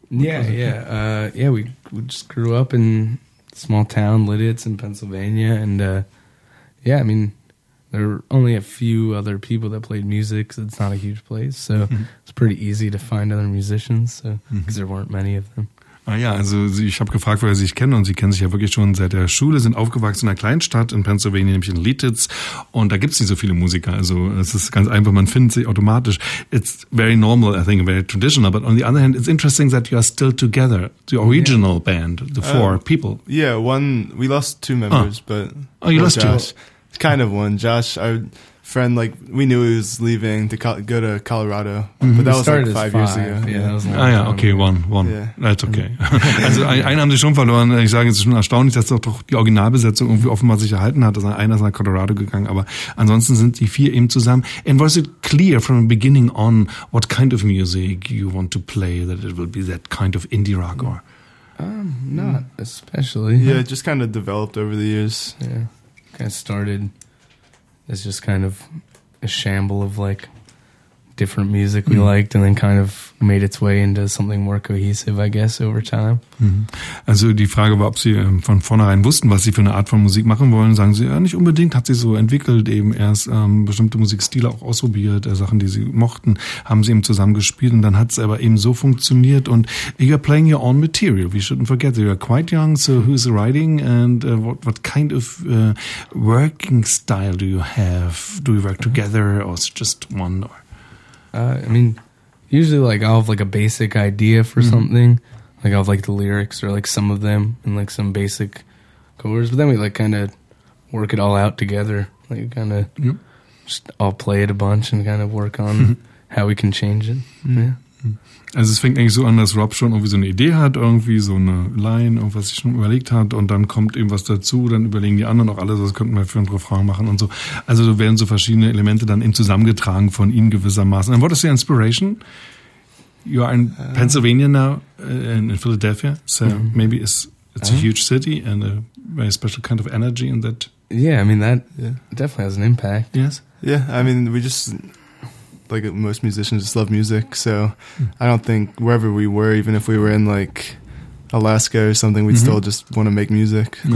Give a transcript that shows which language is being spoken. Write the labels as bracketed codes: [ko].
[en] We just grew up in small town, Lidditz in Pennsylvania, and there were only a few other people that played music, because it's not a huge place, so it's pretty easy to find other musicians, so because there weren't many of them. [de] Ah ja, also ich habe gefragt, woher sie sich kennen, und sie kennen sich ja wirklich schon seit der Schule, sind aufgewachsen in einer kleinen Stadt in Pennsylvania, nämlich in Lidditz, und da gibt es nicht so viele Musiker, also es ist ganz einfach, man findet sich automatisch. [en] It's very normal, I think, very traditional, but on the other hand, it's interesting that you are still together, the original band, the four people. Yeah, we lost two members, but... Oh, you lost Josh. Two? Kind of one. Josh, our friend, like, we knew he was leaving to go to Colorado. But that was like five years ago. Yeah, [de] ah ja, [en] okay, one. Yeah. That's okay. [de] Also einen haben sie schon verloren. Ich sage, es ist schon erstaunlich, dass doch die Originalbesetzung irgendwie offenbar sich erhalten hat. Also einer ist nach Colorado gegangen, aber ansonsten sind die vier eben zusammen. [en] And was it clear from the beginning on what kind of music you want to play, that it will be that kind of indie rock or? Not especially. Yeah, it just kind of developed over the years. Yeah, kind of started as just kind of a shamble of like different music we liked, and then kind of made its way into something more cohesive, I guess, over time. Mm-hmm. [de] Also die Frage war, ob Sie von vornherein wussten, was Sie für eine Art von Musik machen wollen. Sagen Sie, ja, nicht unbedingt. Hat sich so entwickelt, eben erst bestimmte Musikstile auch ausprobiert, Sachen, die Sie mochten, haben Sie eben zusammengespielt, und dann hat es aber eben so funktioniert. Und [en] you're playing your own material. We shouldn't forget that you're quite young, so who's writing and what kind of working style do you have? Do you work together or is it just one or? I mean, usually, like, I'll have, like, a basic idea for something. Like, I'll have, like, the lyrics or, like, some of them and, like, some basic chords. But then we, like, kind of work it all out together. Like, kind of just all play it a bunch and kind of work on how we can change it. Mm-hmm. Yeah. [de] Also es fängt eigentlich so an, dass Rob schon irgendwie so eine Idee hat, irgendwie so eine Line, irgendwas sich schon überlegt hat, und dann kommt eben was dazu, dann überlegen die anderen auch alles, was könnten wir für einen Refrain machen und so. Also so werden so verschiedene Elemente dann eben zusammengetragen von ihnen gewissermaßen. [en] And what is your inspiration? You are in Pennsylvania now, in Philadelphia, so maybe it's a huge city and a very special kind of energy in that. Yeah, I mean, that definitely has an impact. Yes? Yeah, I mean, we just... Like most musicians just love music, so I don't think wherever we were, even if we were in like Alaska or something, we'd still just want to make music. Yeah.